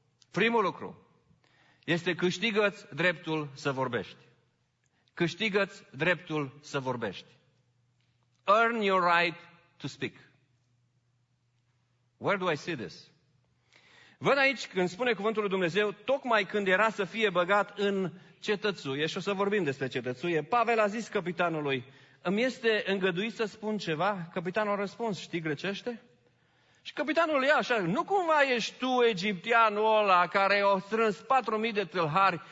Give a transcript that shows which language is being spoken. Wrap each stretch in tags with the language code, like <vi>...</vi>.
<ro>Primul lucru, este câștigă-ți dreptul să vorbești. Câștigă-ți dreptul să vorbești.</ro> <en>Earn your right to speak. Where do I see this?</en> <ro>Văd aici când spune cuvântul lui Dumnezeu, tocmai când era să fie băgat în cetățuie, și o să vorbim despre cetățuie, Pavel a zis căpitanului, îmi este îngăduit să spun ceva? Căpitanul a răspuns, știi grecește? Și căpitanul ia așa, nu cumva ești tu egipteanul ăla care a strâns 4.000 de tâlhari?</ro>